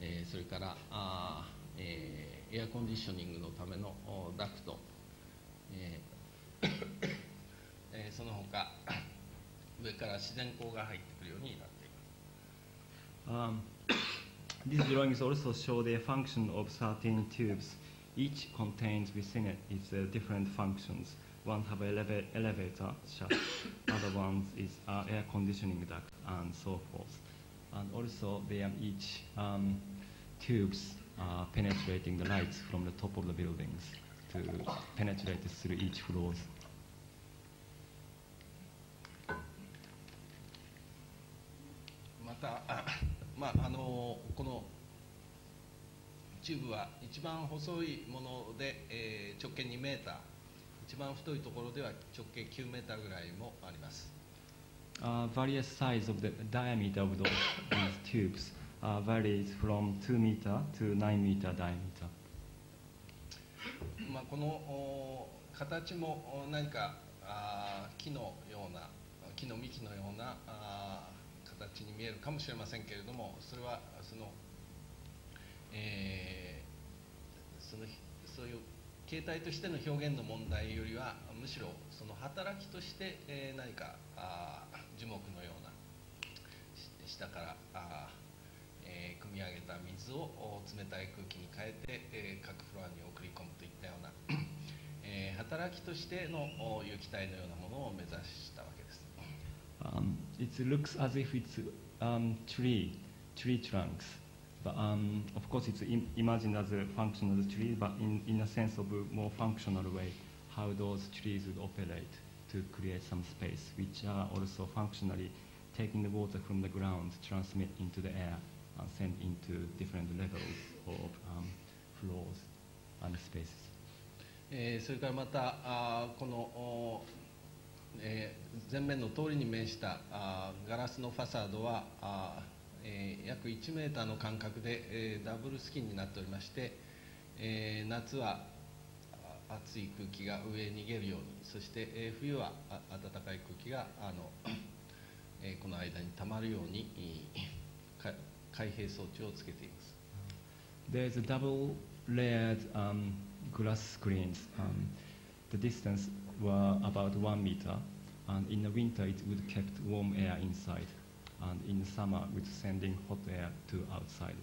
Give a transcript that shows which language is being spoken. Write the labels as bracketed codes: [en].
[ja] それからエアコンディショニングのためのダクト、その他上から自然光が入ってくるようになっています。 [en] These drawings also show the function of 13 tubes. Each contains within it its different functions. One have elevator shaft, other ones is air conditioning duct and so forth. And also they are each tubes are penetrating the lights from the top of the buildings to penetrate through each floors. [ja] また、まあ、このチューブは一番細いもので、直径2メーター、一番太いところでは直径9メーターぐらいもあります。 [en] Various size of the diameter of those tubes varies from 2 meter to 9 meter diameter. [ja] まあこの形も何か木のような木の幹のような。形に見えるかもしれませんけれども、それはそういう形態としての表現の問題よりは、むしろその働きとして、何か樹木のような下から、組み上げた水を冷たい空気に変えて、各フロアに送り込むといったような、働きとしての有機体のようなものを目指したわけです。 [en] It looks as if it's tree trunks, but of course it's imagined as a function of the tree, but in a sense of a more functional way, how those trees would operate to create some space, which are also functionally taking the water from the ground, transmit into the air, and send into different levels of floors and spaces. [ja] それからまた、この前面の通りに面したガラスのファサードは約1メーターの間隔でダブルスキンになっておりまして、夏は暑い空気が上へ逃げるように、そして冬は暖かい空気がこの間にたまるように開閉装置をつけています。 [en] There's a double layered glass screens. The distanceWere about 1 meter, and in the winter it would kept warm air inside, and in the summer would sending hot air to outside.